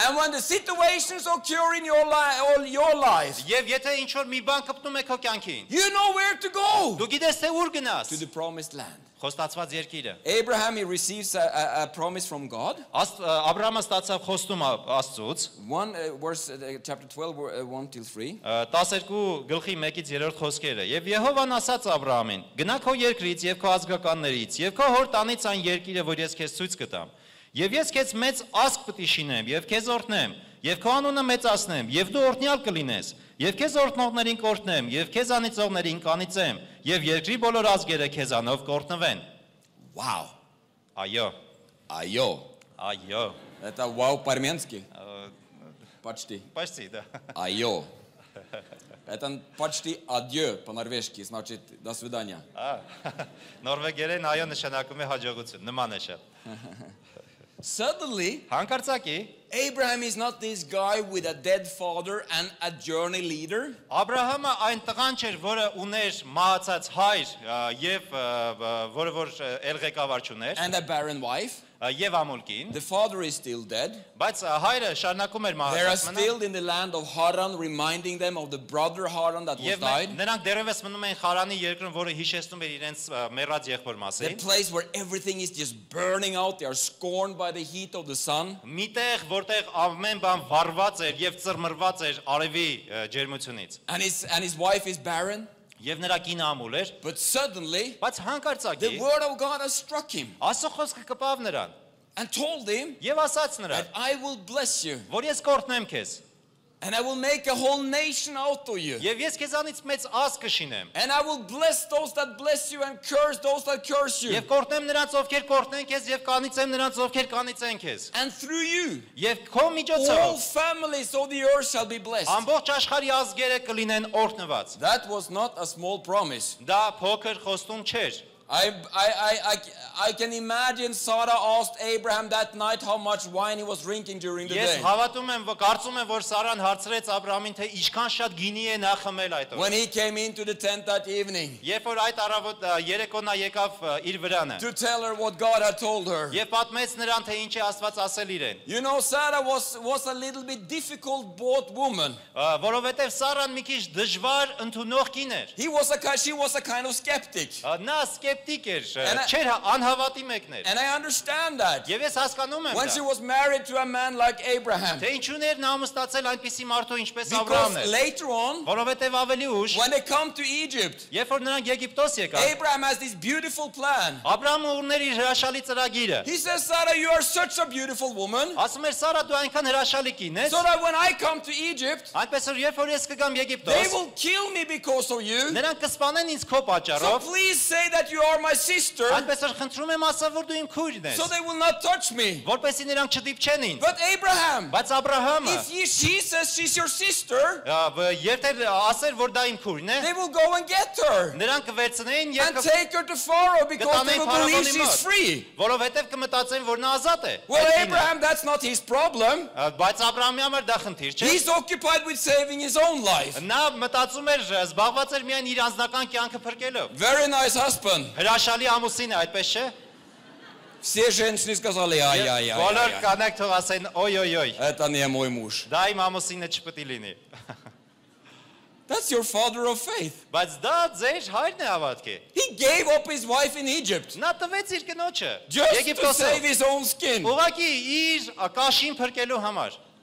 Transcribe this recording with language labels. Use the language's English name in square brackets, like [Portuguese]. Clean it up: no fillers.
[English] And when the situations occur in your life, all your life. [Armenian] Եվ եթե ինչ որ մի բան կպտում եք հո կյանքին. [English] You know where to go. [Armenian] Դու գիտես թե ուր գնաս. [English] To the promised land. [Armenian] Խոստացված երկիրը. [English] Abraham, he receives a promise from God. [Armenian] Աբրահամը ստացավ խոստում Աստծուց. [English] 1 verse chapter 12 1 till 3. [Armenian] 12 գլխի 1-ից 3-րդ խոսքերը. Եվ Եհովան ասաց Աբրահամին. Գնա քո երկրից եւ քո ազգականներից եւ քո հոր տանից այն երկիրը, որ ես քեզ ցույց կտամ։ Եվ ես քեզ մեծ ազգ պիտի շինեմ եւ քեզ օրհնեմ եւ քո անունը մեծացնեմ եւ դու օրհնյալ կլինես։ Եվ քեզ օրհնողներին կօրհնեմ եւ քեզ անիծողներին կանիծեմ։ Եվ երկրի բոլոր ազգերը քեզանով կօրհնվեն։ [English] Wow. [Armenian] Այո. Այո. Այո. [Russian] Это wow по-армянски? Почти. Почти, да. [Armenian] Այո. [Russian] Это почти adieu по-норвежски, значит, до свидания. А. [Armenian] Норвегերեն այո նշանակում է հաջողություն, նման է շատ. [English] Suddenly, [Armenian] հանկարծակի [English] Abraham is not this guy with a dead father and a journey leader. [Armenian] Աբրահամը այն տղան չէր, որը ուներ մահացած հայր եւ որը որ էլ ղեկավար չուներ. [English] And a barren wife. [Armenian] Եվ ամուլքին. [English] The father is still dead. [Armenian] Բայց հայրը շարունակում էր մահացած մնալ. [English] They are still in the land of Haran, reminding them of the brother Haran that was died. [Armenian] Եվ նրանք դեռևս մնում են Խարանի երկրում, որը հիշեցնում էր իրենց մեռած եղբոր մասին. [English] The place where everything is just burning out, they are scorned by the heat of the sun. [Armenian] Միտեղ որտեղ ամեն բան վառված էր եւ ծռմռված էր արևի ջերմությունից. [English] And his wife is barren. [Armenian] Եվ նրա կինը ամուլ էր։ [English] But suddenly, [Armenian] բայց հանկարծակի, [English] the word of God has struck him. [Armenian] Այսօր խոսքը կպավ նրան։ [English] And told him, [Armenian] եւ ասաց նրան, [English] that I will bless you. [Armenian] Որ ես կօրհնեմ քեզ։ [English] And I will make a whole nation out of you. [Armenian] Եվ ես քեզանից մեծ ազգ կշինեմ։ [English] And I will bless those that bless you and curse those that curse you. [Armenian] Եվ կօրհնեմ նրանց, ովքեր կօրհնեն քեզ, եւ կանիծեմ նրանց, ովքեր կանիծեն քեզ։ [English] And through you, [Armenian] եւ քո միջոցով, [English] all families of the earth shall be blessed. [Armenian] Ամբողջ աշխարհի ազգերը կլինեն օրհնված։ [English] That was not a small promise. [Armenian] Դա փոքր խոստում չէր։ [English] I can imagine Sarah asked Abraham that night how much wine he was drinking during the day. [Armenian] Ես հավատում եմ, որ կարծում եմ, որ Սարան հարցրեց Աբրահամին, թե ինչքան շատ գինի է նա խմել այդ օրը. [English] When he came into the tent that evening. [Armenian] Երբ որ այդ առավոտ երեկոնա եկավ իր վրանը. [English] To tell her what God had told her. [Armenian] Եվ պատմեց նրան, թե ինչ է Աստված ասել իրեն. [English] You know Sarah was a little bit difficult both woman. [Armenian] Որովհետև Սարան մի քիչ դժվար ընդունող կին էր. [English] She was a kind of skeptic. [Armenian] Նա սկեպտիկ էր, չէր անհավատի մեկներ։ [English] And I understand that. [Armenian] Եվ ես հասկանում եմ։ [English] When she was married to a man like Abraham. [Armenian] Թե ինչու ներ նա մստացել այնպիսի մարդու ինչպես [English] Աբրահամը։ Because later on, [Armenian] որովհետև ավելի ուշ, [English] when they come to Egypt. [Armenian] Երբ որ նրանք Եգիպտոս եկան։ [English] Abraham has this beautiful plan. [Armenian] Աբրահամը ուներ իր հրաշալի ծրագիրը։ [English] He says, Sarah, you are such a beautiful woman. [Armenian] Ասում էր Սարա, դու այնքան հրաշալի կին ես։ [English] So when I come to Egypt. [Armenian] Այնպես որ երբ որ ես կգամ Եգիպտոս։ [English] They will kill me because of you. [Armenian] Նրանք կսպանեն ինձ քո պատճառով։ [English] So please say that you are my sister. [Armenian] Այնպես որ խնդրում եմ ասա, որ դու իմ քույրն ես. [English] So they will not touch me. [Armenian] Որպեսզի նրանք չդիպչեն ինձ։ [English] But Abraham. [Armenian] Բայց Աբրահամը. [English] If she says she's your sister. [Armenian] Ահա, եթե ասեր, որ դա իմ քույրն է։ [English] They will go and get her. [Armenian] Նրանք վերցնեին եւ [English] And take her to Pharaoh because they will believe she's free. [Armenian] Որովհետեւ կմտածեն, որ նա ազատ է։ [English] Well, Abraham, that's not his problem. [Armenian] Բայց Աբրահամի համար դա խնդիր չէ։ [English] He's occupied with saving his own life. [Armenian] Նա մտածում էր, զբաղված էր միայն իր անձնական կյանքը փրկելով։ [English] Very nice husband. [Armenian] Հրաշալի ամուսին է, այդպես չէ։ [Russian] Все женщины сказали: "Ай-ай-ай". [Armenian] Բոլոր կանեք թող ասեն: "Ой-ой-ой". [Russian] Это не мой муж. [Armenian] Да и мамусине չպետք լինի։ [English] That's your father of faith. [Armenian] Բայց դա ձեր հայրն է հավատքի։ [English] He gave up his wife in Egypt. [Armenian] Նա տվեց իր կնոջը։ [English] Եգիպտոսը։ To save his own skin. [Armenian] Ուղղակի իր կաշին փրկելու համար։